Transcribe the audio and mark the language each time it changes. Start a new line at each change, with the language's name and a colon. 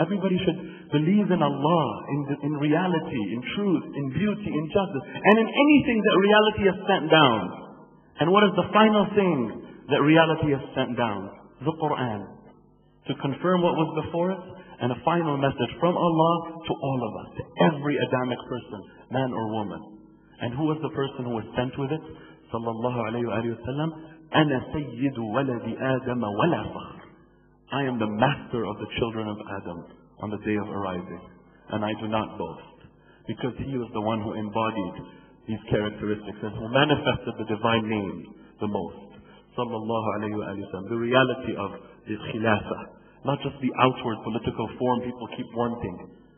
English: Everybody should believe in Allah, in reality, in truth, in beauty, in justice, and in anything that reality has sent down. And what is the final thing that reality has sent down? The Quran. To confirm what was before it, and a final message from Allah to all of us, to every Adamic person, man or woman. And who was the person who was sent with it?
Arabic: Sallallahu alayhi wa sallam, أَنَا سَيِّدُ وَلَدِ آدَمَ وَلَا فَخْرٍ.
English: I am the master of the children of Adam on the day of arising, and I do not boast. Because he was the one who embodied these characteristics and who manifested the divine name the most. Sallallahu alayhi wa sallam, the reality of the khilafa, not just the outward political form people keep wanting.